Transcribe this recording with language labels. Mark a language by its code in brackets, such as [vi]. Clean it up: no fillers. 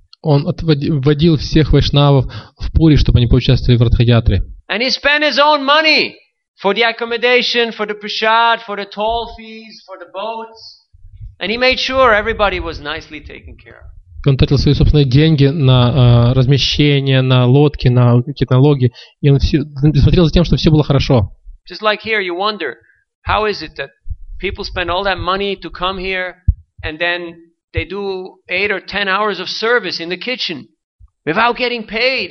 [ru] Он водил всех Вайшнавов в Пури, чтобы они поучаствовали в Ратха Ятре. [en] And he spent his own money. For the accommodation, for the prasad, for the toll fees, for the boats. And he made sure everybody was nicely taken care of. [ru] Он тратил свои собственные деньги на размещение, на лодки, на какие-то налоги. И он смотрел за тем, чтобы все было хорошо. [en] Just like here, you wonder, how is it that people spend all that money to come here and then they do 8 or 10 hours of service in the kitchen without getting paid.